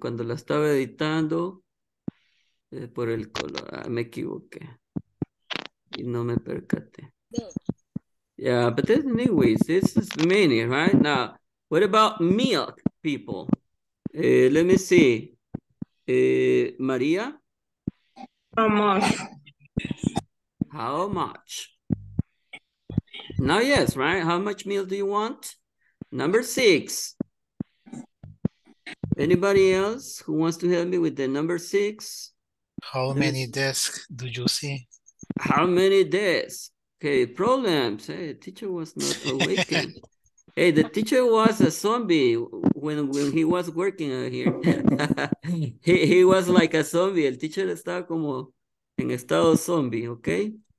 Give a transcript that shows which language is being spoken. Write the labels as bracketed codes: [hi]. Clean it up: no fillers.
[es] Cuando la estaba editando, por el color, me equivoqué. Y no me percaté. [en] Yeah, but this, anyways, this is many, right? Now, what about milk, people? Let me see. Maria? How much? How much? Now, yes, right? How much meal do you want? Number six. Anybody else who wants to help me with the number six? How many desks do you see? How many desks? Okay, problems. Hey, the teacher was not awakened. Hey, the teacher was a zombie when he was working out here. he was like a zombie. [es] El teacher estaba como en estado zombie, okay?